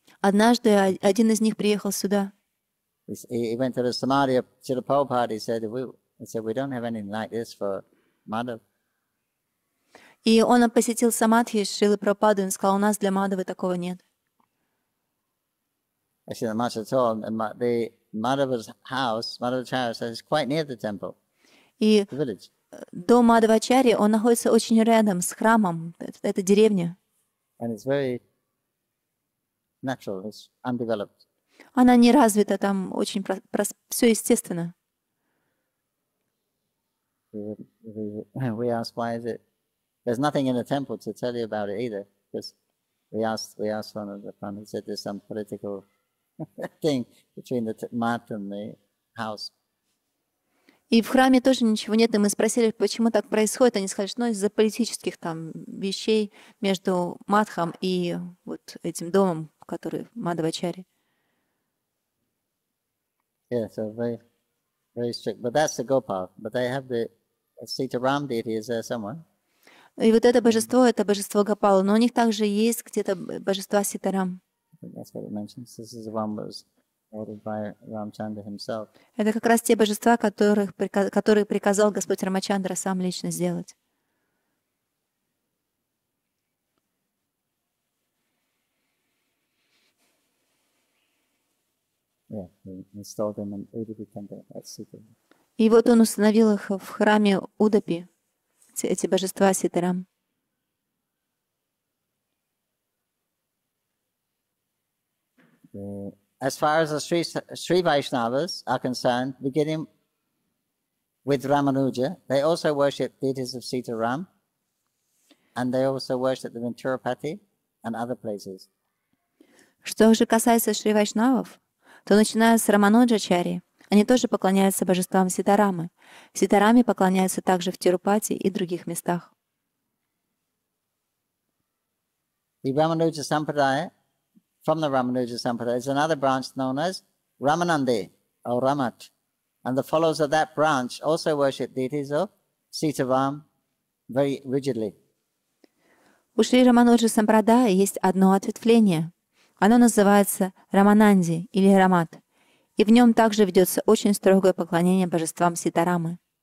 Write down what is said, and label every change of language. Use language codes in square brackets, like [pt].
[ru] Однажды один из них приехал сюда. [en] He went to the samadhi of Śrīla Prabhupāda. He said, we don't have anything like this for Madhava. [ru] И он посетил самадхи Шрилы Прабхупады, он сказал, у нас для Мадхавы такого нет. [en] Actually, not much at all. The Madhava's house, Madhavacharya, is quite near the temple. The village. [ru] Дом Мадхавачарьи, он находится очень рядом с храмом. Это деревня. [en] And it's very natural. It's undeveloped. [ru] Она не развита там очень все естественно. [en] We asked why is it? There's nothing in the temple to tell you about it either. Because we asked one of the fun. He said there's some political thing between the mat and the house. [ru] И в храме тоже ничего нет. И мы спросили, почему так происходит. Они сказали, что из-за политических там вещей между матхом и вот этим домом, который Мадхавачари. [en] Yeah, so very, very strict. But that's the Gopal. But they have the Sitaram deity is there somewhere? [ru] И вот это божество, это божество Гопала, но у них также есть где-то божество Ситарам. [en] That's what it mentions. This is the one that was ordered by Рамачандра himself. [ru] Это как раз те божества, которые приказал Господь Рамачандра сам лично сделать. [en] Yeah, installed them in Udupi temple. That's super. [ru] И вот он установил их в храме Удапи, эти божества Ситарам. [en] As far as the Sri Vaishnavas are concerned, beginning with Ramanuja, they also worship deities of Sitaram, and they also worship the Venturapati and other places. [ru] Что же касается Шри Вайшнавов, то начиная с Рамануджачари, они тоже поклоняются божествам Ситарамы. Ситарами поклоняются также в Тирупати и других местах. [en] The Ramanuja Sampradaya, from the Ramanuja Sampradaya, is another branch known as Ramanandi or Ramat. And the followers of that branch also worship deities of Sitaram very rigidly. [ru] У Шри Рамануджа Сампрадая есть одно ответвление. Оно называется Рамананди или Рамат, и в нем также ведется очень строгое поклонение божествам Ситарамы.